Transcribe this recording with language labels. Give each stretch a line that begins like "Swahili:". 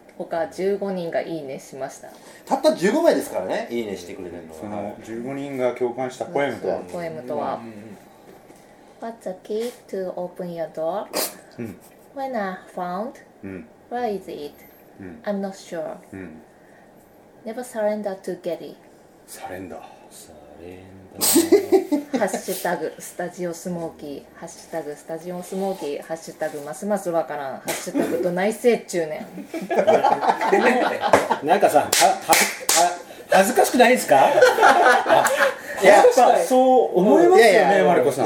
Japanese: 他15人がいいねしました。たった15名ですからね、いいねしてくれてるのは。その15人が共感したポエムとは。ポエムとは、
English: What's the key to open your door? When I found, where is it? I'm not sure. Never surrender to Getty.
Japanese: サレンダー。 サレンダー。ハッシュタグスタジオスモーキー、ハッシュタグスタジオスモーキー、ハッシュタグますますわからん、ハッシュタグどないせい中年。なんかさ、恥ずかしくないですか？やっぱそう思いますよね、マルコさん。